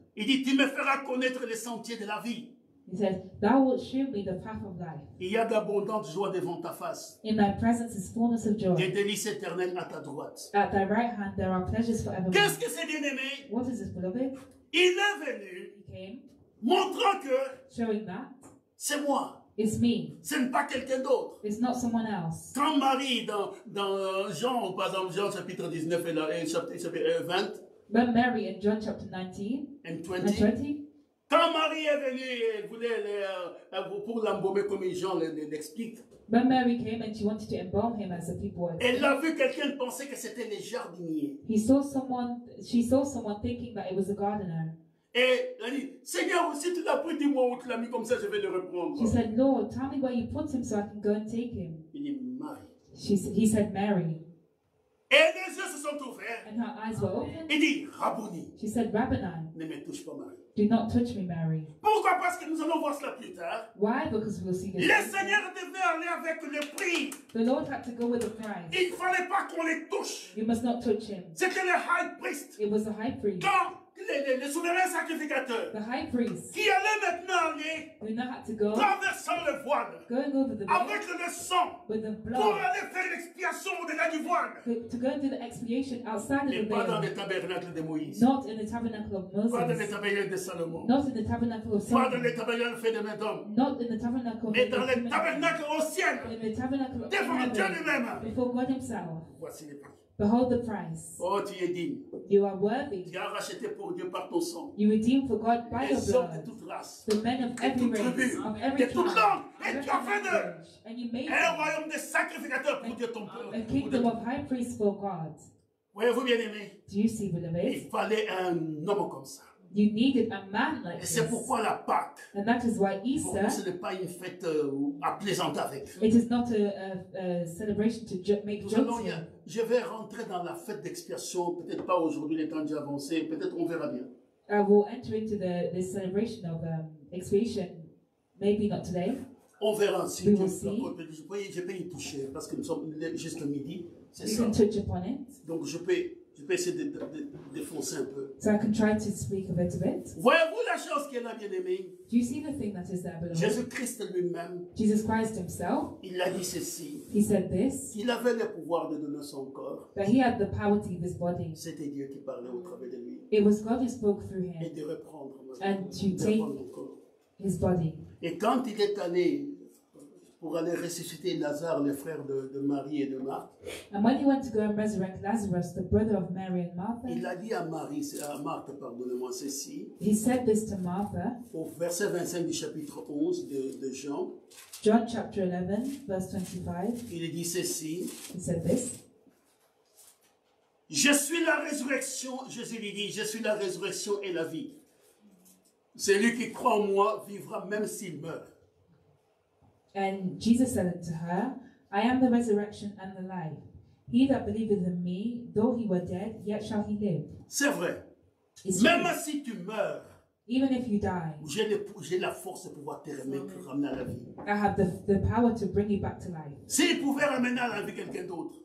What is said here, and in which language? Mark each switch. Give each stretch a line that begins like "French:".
French: Il dit, tu me feras connaître les sentiers de la vie.
English: He says, thou wilt show me the path of life.
French: Il y a d'abondante joie devant ta face.
English: In thy presence is fullness of joy.
French: Des délices éternels à ta droite.
English: At thy right hand there are pleasures forever.
French: Qu'est-ce que c'est bien aimé?
English: What is this, beloved?
French: Il est venu.
English: He came.
French: Montrant que.
English: Showing that.
French: C'est moi.
English: It's me.
French: Ce n'est pas quelqu'un d'autre.
English: It's not someone else.
French: Quand Marie dans Jean, par exemple, Jean chapitre 19 et chapitre 20.
English: When Mary in John chapter 19 and 20. And 20.
French: Quand Marie est venue et voulait pour l'embaumer comme Jean l'explique.
English: When Mary came and she wanted to embalm him as the people were.
French: Elle a vu quelqu'un penser que c'était les jardiniers.
English: She saw someone thinking that it was a gardener.
French: Et elle dit, Seigneur, si tu l'as pris, dis-moi où tu l'as mis, comme ça je vais le reprendre.
English: She said, Lord, tell me where you put him so I can go and take him.
French: Il dit, Marie.
English: He said, Mary.
French: Et les yeux se sont ouverts.
English: And her eyes were open.
French: Il dit, Rabboni.
English: She said, Rabboni.
French: Ne me touche pas, Marie.
English: Do not touch me, Mary.
French: Pourquoi? Parce que nous allons voir cela plus tard.
English: Why? Because we'll see this.
French: Le Seigneur devait aller avec le prix.
English: The Lord had to go with the price.
French: Il ne fallait pas qu'on le touche.
English: You must not touch him.
French: C'était le
English: high priest. It was the high priest.
French: Quand le souverain sacrificateur,
English: the high priest,
French: qui allait maintenant aller,
English: we now had to go,
French: traversant le voile,
English: going over the
French: avec le sang,
English: with the blood,
French: pour aller faire l'expiation au-delà du voile,
English: to go and do the expiation outside of the veil,
French: pas dans le tabernacle de Moïse,
English: not in the tabernacle of Moses,
French: pas dans le tabernacle de Salomon,
English: not in the tabernacle of Solomon,
French: pas dans le tabernacle fait de main d'homme,
English: not in the tabernacle of
French: mais dans le tabernacle au ciel,
English: in the tabernacle of
French: heaven, devant Dieu lui-même,
English: before God himself.
French: Voici les prix.
English: Behold the price.
French: Oh, tu es digne.
English: You are worthy.
French: Tu as racheté pour Dieu par ton sang.
English: You redeemed for God by
French: les
English: your blood.
French: De toute race.
English: The men of every race,
French: tribu,
English: of every
French: tribe, et tu as fait
English: and you made
French: un royaume de sacrificateurs pour Dieu ton peuple.
English: A kingdom of high priests for God.
French: Voyez-vous bien aimé?
English: Do you see, beloved?
French: Il fallait un homme comme ça.
English: You needed a man like
French: et c'est pourquoi la Pâque.
English: And that is why Easter.
French: Ce n'est pas une fête à plaisanter avec.
English: It is not a celebration to make jokes.
French: Je vais rentrer dans la fête d'expiation, peut-être pas aujourd'hui, le temps d'y avancer, peut-être on verra bien.
English: I will enter into the celebration of expiation, maybe not today.
French: On verra si
English: we will
French: tu
English: see.
French: Je peux y toucher parce que nous sommes juste midi, c'est
English: you
French: ça.
English: Can touch upon it.
French: Donc je peux essayer de défoncer un peu.
English: So I can try to speak a bit of it.
French: Voyez-vous la chose qui est là, bien aimé?
English: Do you see the thing that is there below?
French: Jésus Christ lui-même.
English: Jesus Christ himself.
French: Il a dit ceci.
English: He said this.
French: Il avait le pouvoir de donner son corps.
English: That he had the power to give his body.
French: C'était Dieu qui parlait au travers de lui.
English: It was God who spoke through him.
French: Et de reprendre.
English: And to take his body.
French: Et quand il est allé pour aller ressusciter Lazare, le frère de Marie et de Marthe.
English: And when he went to go and resurrect Lazarus, the brother of Mary and Martha.
French: Il a dit à Marie, à Marthe, pardonnez-moi ceci.
English: He said this to Martha.
French: Au verset 25 du chapitre 11 de Jean.
English: John chapter 11, verse 25.
French: Il dit ceci.
English: He said this.
French: Je suis la résurrection, Jésus lui dit, je suis la résurrection et la vie. Celui qui croit en moi vivra même s'il meurt.
English: And Jesus said to her, I am the resurrection and the life. He that believeth in me, though he were dead, yet shall he live.
French: C'est vrai.
English: It's
French: même
English: true.
French: Si tu meurs,
English: even if you die,
French: j'ai la force de pouvoir te ramener à la vie.
English: I have the power to bring you back to life.
French: S'il pouvait ramener à la vie quelqu'un d'autre,